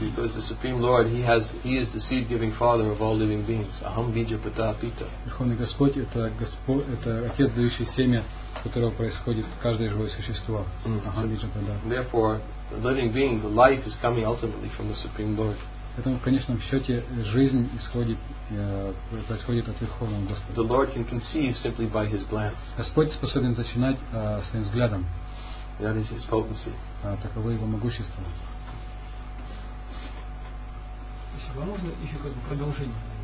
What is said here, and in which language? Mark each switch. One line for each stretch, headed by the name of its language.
English: Because the Supreme Lord, he is the seed-giving father of all living beings.
Sanskrit: Aham Bija Pita Pita.
Russian: Верховный Господь это отец, дающий семя, от которого происходит каждое живое существо.
Sanskrit: Aham Bija Pita.
English: Therefore, the living being, the life is coming ultimately from the Supreme Lord.
Russian: Поэтому в конечном счете жизнь происходит от Верховного Господа.
English: The Lord can conceive simply by his glance.
Russian: Господь способен зачинать своим взглядом. That is his potency. Таково его могущество. Спасибо. Можно еще как бы продолжение?